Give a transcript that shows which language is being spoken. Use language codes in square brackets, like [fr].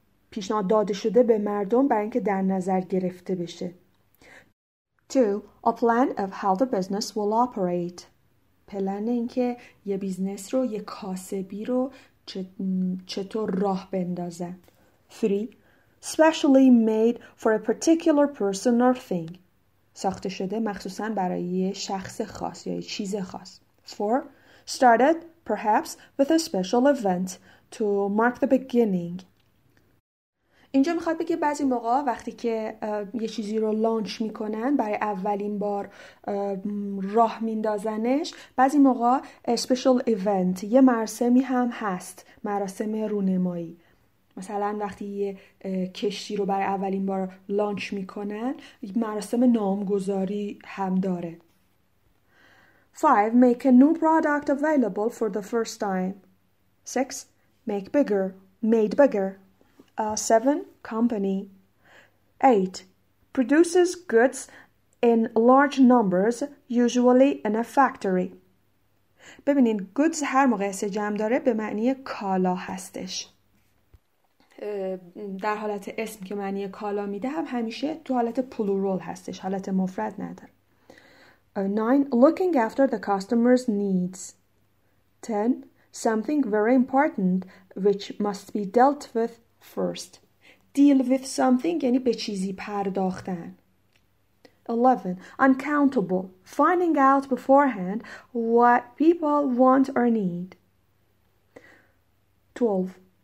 [fa] پیشنهاد داده شده به مردم برای اینکه در نظر گرفته بشه. [en] 2. A plan of how the business will operate. [fa] پلن این که یه بیزنس رو، یه کاسبی رو چطور راه بندازه. [en] 3. Specially made for a particular person or thing. [fa] ساخته شده مخصوصا برای یه شخص خاص یا یه چیز خاص. [en] 4. Started, perhaps, with a special event to mark the beginning. [fa] اینجا میخواد بگه بعضی موقع وقتی که یه چیزی رو لانچ میکنن، برای اولین بار راه میندازنش، بعضی موقع special event، یه مراسمی هم هست، مراسم رونمایی. مثلا وقتی یه کشتی رو برای اولین بار لانچ میکنن، مراسم نامگذاری هم داره. [en] 5. Make a new product available for the first time. 6. Make bigger. Made bigger. 7. Company. 8. Produces goods in large numbers, usually in a factory. [fa] ببینید goods هر موقع اسم جمع داره به معنی کالا هستش. در حالت اسم که معنی کالا میده هم همیشه تو حالت پلورال هستش، حالت مفرد نداره. [en] 9. Looking after the customer's needs. 10. Something very important which must be dealt with first. Deal with something [fa] یعنی به چیزی پرداختن. [en] 11. Uncountable. Finding out beforehand what people want or need. 12.